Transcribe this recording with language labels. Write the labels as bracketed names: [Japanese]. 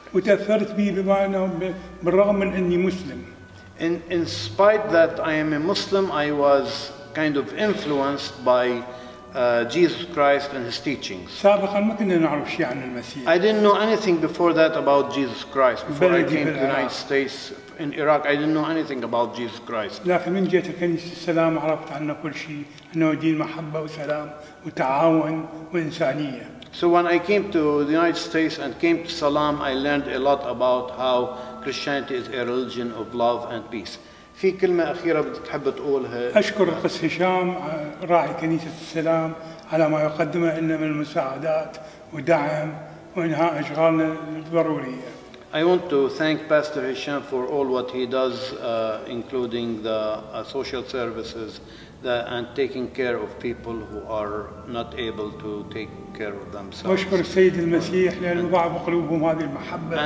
[Arabic] وتأثرت به بما أنه بالرغم من أني مسلم. [English] In spite that I am a Muslim, I was kind of influenced by Jesus Christ and his teachings. [Arabic] سابقاً ما كنا نعرف شيء عن المسيح. [English] I didn't know anything before that about Jesus Christ. Before I came to the United States in Iraq, I didn't know anything about Jesus Christ. [Arabic] لكن من جيت الكنيسة السلام عرفت عنه كل شيء، أنه دين محبة وسلام وتعاون وإنسانية. [English] So when I came to the United States and came to Salam, I learned a lot about how Christianity is a religion of love and peace. [Arabic] في كلمة أخيرة بتحب تقولها؟ أشكر القس هشام راعي كنيسة السلام على ما يقدمه لنا من المساعدات ودعم وإنهاء أشغالنا الضرورية. [English] I want to thank Pastor Hisham for all what he does, including the social services and taking care of people who are not able to take care of themselves. [Arabic] أشكر السيد المسيح لأنه وضع بقلوبهم هذه المحبة.